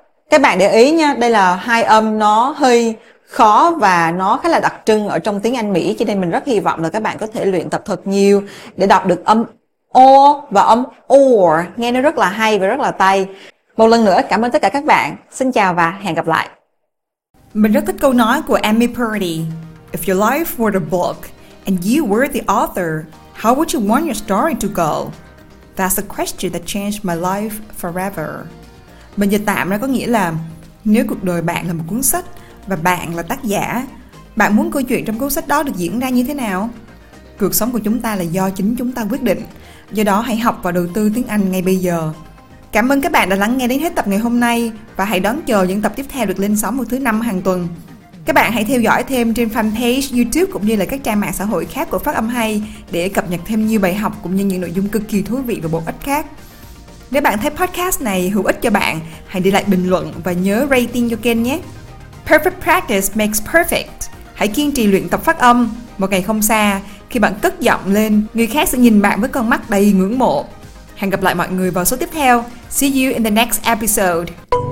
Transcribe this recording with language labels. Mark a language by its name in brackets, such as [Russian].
[Vietnamese] Các bạn để ý nha, đây là hai âm nó hơi khó và nó khá là đặc trưng ở trong tiếng Anh Mỹ, cho nên mình rất hy vọng là các bạn có thể luyện tập thật nhiều để đọc được âm or và âm or, nghe nó rất là hay và rất là tay. Một lần nữa cảm ơn tất cả các bạn. Xin chào và hẹn gặp lại. Mình rất thích câu nói của Amy Purdy. [English] If your life were a book and you were the author, how would you want your story to go? That's the question that changed my life forever. [Vietnamese] Mình dịch tạm ra có nghĩa là nếu cuộc đời bạn là một cuốn sách và bạn là tác giả, bạn muốn câu chuyện trong cuốn sách đó được diễn ra như thế nào? Cuộc sống của chúng ta là do chính chúng ta quyết định, do đó hãy học và đầu tư tiếng Anh ngay bây giờ. Cảm ơn các bạn đã lắng nghe đến hết tập ngày hôm nay và hãy đón chờ những tập tiếp theo được lên sóng vào thứ năm hàng tuần. Các bạn hãy theo dõi thêm trên fanpage YouTube cũng như là các trang mạng xã hội khác của Phát Âm Hay để cập nhật thêm nhiều bài học cũng như những nội dung cực kỳ thú vị và bổ ích khác. Nếu bạn thấy podcast này hữu ích cho bạn, hãy để lại bình luận và nhớ rating cho kênh nhé. [English] Perfect practice makes perfect. [Vietnamese] Hãy kiên trì luyện tập phát âm. Một ngày không xa, khi bạn cất giọng lên, người khác sẽ nhìn bạn với con mắt đầy ngưỡng mộ. Hẹn gặp lại mọi người vào số tiếp theo. [English] See you in the next episode.